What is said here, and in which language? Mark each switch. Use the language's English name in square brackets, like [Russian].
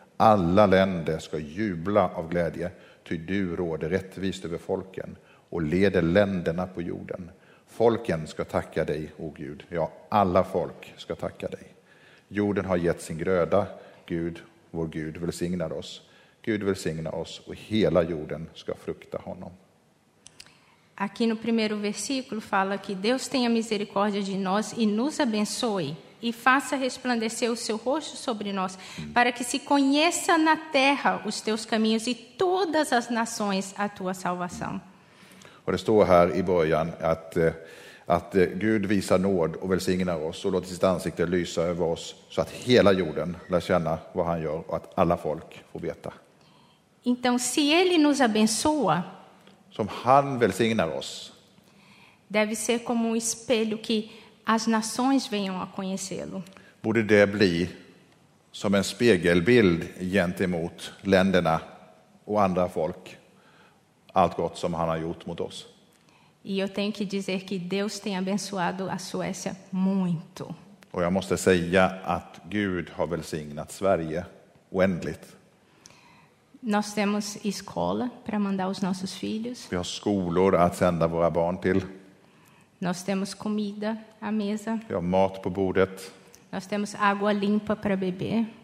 [Swedish] Alla länder ska jubla av glädje, ty du råder rättvist över folken och leder länderna på jorden. Folken ska tacka dig, o Gud. Ja, alla folk ska tacka dig. Jorden har gett sin gröda. Gud, vår Gud, välsignar oss. Gud välsigna oss och hela jorden ska frukta honom. [Portuguese] Aqui no primeiro versículo fala que Deus tenha misericórdia de nós e nos abençoe e faça resplandecer o seu rosto sobre nós, para que se conheça na terra os teus caminhos e todas as nações a tua salvação. [Swedish] Och det står här i början att Gud visar nåd och välsignar oss och låter sitt ansikte lysa över oss så att hela jorden lär känna vad han gör och att alla folk får veta. [Portuguese] Então, se ele nos abençoa, [Swedish] som han välsignar oss, [Portuguese] deve ser como um espelho que as nações venham a conhecê-lo. [Swedish] Borde det bli som en spegelbild gentemot länderna och andra folk, allt gott som han har gjort mot oss. [Portuguese] E eu tenho que dizer que Deus tem abençoado a Suécia muito. [Swedish] Och jag måste säga att Gud har välsignat Sverige oändligt. [Portuguese] Nós temos escola para mandar os nossos filhos. [Swedish] Vi har skolor att sända våra barn till. [Portuguese] Nós temos comida à mesa. [Swedish] Vi har mat på bordet. [Portuguese] Nós temos água limpa para beber.